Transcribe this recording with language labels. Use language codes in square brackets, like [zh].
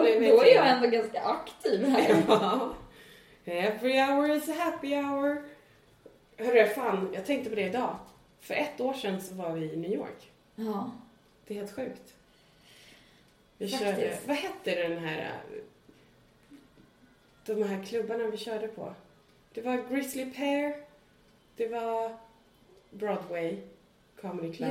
[sv] Då är jag ändå ganska aktiv här. [en] Happy hour is a happy hour. [sv] Hörru, fan, jag tänkte på det idag. För ett år sedan så var vi i New York. Ja. Det är helt sjukt. Vi faktiskt. Körde, vad hette den här, de här klubbarna vi körde på? Det var Grizzly Pear, det var Broadway Comedy Club.